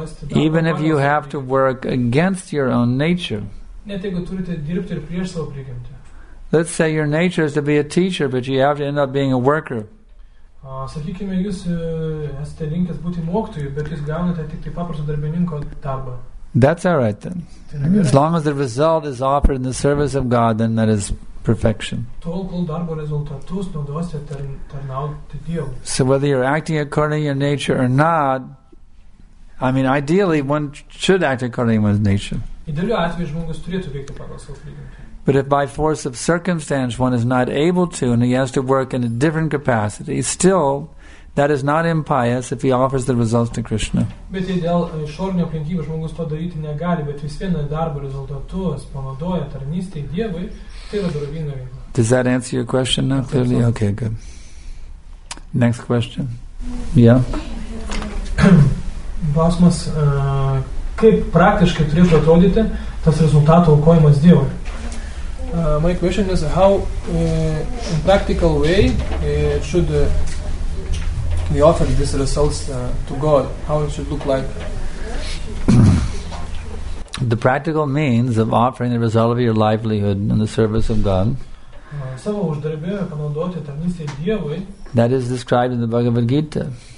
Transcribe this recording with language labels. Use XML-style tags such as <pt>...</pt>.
<en>Even if you have to work against your own nature. Let's say your nature is to be a teacher, but you have to end up being a worker.</en> <lt>Sakykime, jūs esate linkęs būti mokytoju, bet jūs gaunate tik paprasto darbininko darbą.</lt> <en>That's all right then. As long as the result is offered in the service of God, then that is perfection. So whether you're acting according to your nature or not, I mean, ideally one should act according to one's nature. But if by force of circumstance one is not able to and he has to work in a different capacity, still That is not impious if he offers the results to Krishna.</en> <lt>Bet dėl išorinių aplinkybių žmogus to daryti negali, bet vis vien darbo rezultatus panaudoja tarnystei Dievui, tai yra dorovinga veikla.</lt> <en>Does that answer your question now clearly? Okay, good. Next question. Yeah.</en> <lt>Klausimas, kaip praktiškai turėtų atrodyti tas rezultato aukojimas Dievui?</lt> <en>My question is how in practical way it should we offer these results to God, how it should look like? The practical means of offering the result of your livelihood in the service of God that is described in the Bhagavad Gita.</en>